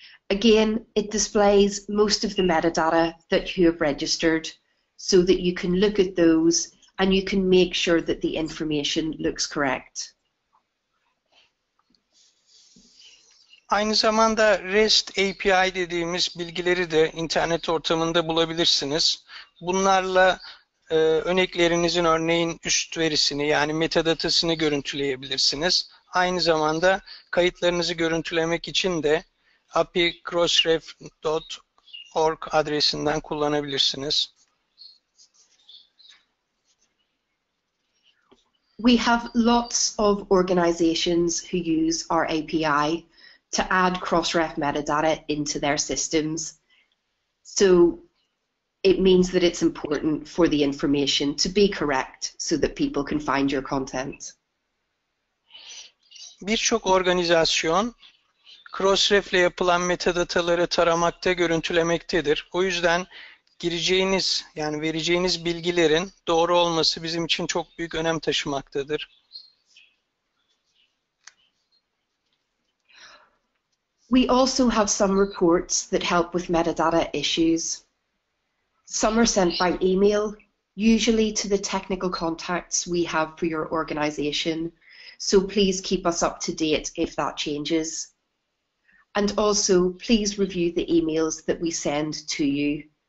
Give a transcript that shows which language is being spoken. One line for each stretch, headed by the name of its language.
English: Again, it displays most of the metadata that you have registered so that you can look at those and you can make sure that the information looks correct.
Turkish: Aynı zamanda REST API dediğimiz bilgileri de internet ortamında bulabilirsiniz. Bunlarla örneklerinizin örneğin üst verisini yani metadatasını görüntüleyebilirsiniz. Aynı zamanda kayıtlarınızı görüntülemek için de api.crossref.org adresinden kullanabilirsiniz.
English: We have lots of organizations who use our API to add Crossref metadata into their systems. So it means that it's important for the information to be correct so that people can find your content.
Turkish: Birçok organizasyon Crossref ile yapılan metadataları taramakta, görüntülemektedir. O yüzden gireceğiniz, yani vereceğiniz bilgilerin doğru olması bizim için çok büyük önem taşımaktadır.
English: We also have some reports that help with metadata issues. Some are sent by email, usually to the technical contacts we have for your organization. So please keep us up to date if that changes. And also, please review the emails that we send to you.